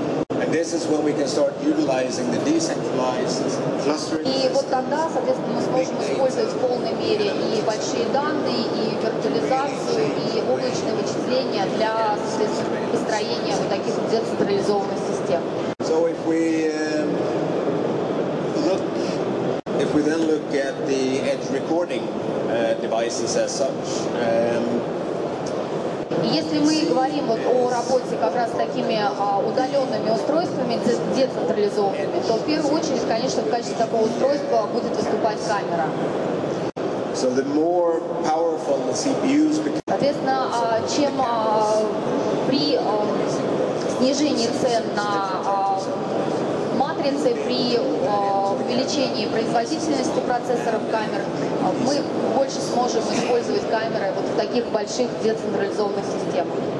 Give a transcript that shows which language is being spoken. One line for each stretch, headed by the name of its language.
English: And this is when we can start utilizing the decentralized clustering.
Russian: И вот тогда, соответственно, мы сможем использовать в полной мере и большие данные, и виртуализацию, и облачные вычисления для построения вот таких децентрализованных систем.
English: So if we look, if we then look at the edge recording devices as such.
Russian: Если мы говорим вот о работе как раз с такими удаленными устройствами, децентрализованными, то в первую очередь, конечно, в качестве такого устройства будет выступать камера.
English: So the more powerful the CPUs become...
Russian: Соответственно, чем при снижении цен на матрицы, при увеличении производительности процессоров камер, мы больше сможем использовать камеры вот в таких больших децентрализованных системах.